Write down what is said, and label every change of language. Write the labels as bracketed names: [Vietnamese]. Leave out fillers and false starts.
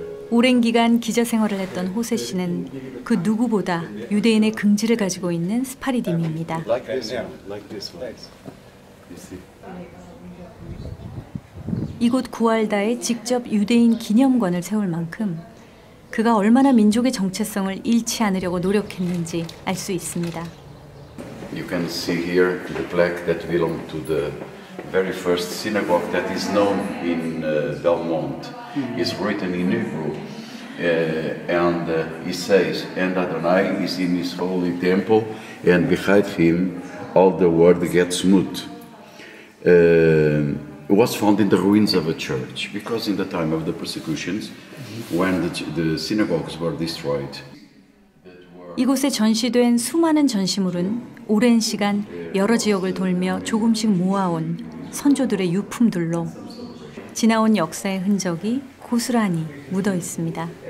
[Korean] 오랜 기간 기자 생활을 했던 호세 씨는 그 누구보다 유대인의 긍지를 가지고 있는 스파리딤입니다. 이곳 구알다에 직접 유대인 기념관을 세울 만큼 그가 얼마나 민족의 정체성을 잃지 않으려고 노력했는지 알 수 있습니다. [English] You can see here the plaque that belonged to the very first synagogue that is known in Belmont. It's written in Hebrew. And he says, and Adonai is in his holy temple, and behind him all the world gets moot. It was found in the ruins of a church, because in the time of the persecutions, when the synagogues were destroyed, [Korean] 이곳에 전시된 수많은 전시물은 오랜 시간 여러 지역을 돌며 조금씩 모아온 선조들의 유품들로 지나온 역사의 흔적이 고스란히 묻어 있습니다.